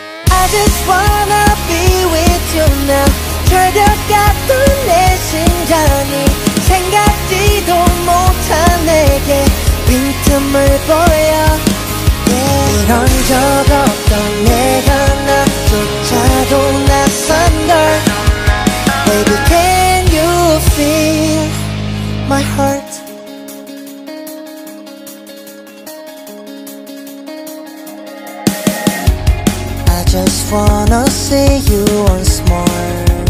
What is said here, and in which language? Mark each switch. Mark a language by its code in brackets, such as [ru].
[en] I just wanna be with you now. [ko] 절벽 같은 내 심장이 생각지도 못한 내게 빈틈을 보여. Yeah. 이런 적 없던 내가 나조차도 낯선 걸. [en] Baby, can you feel my heart? 아, I just wanna see you once more.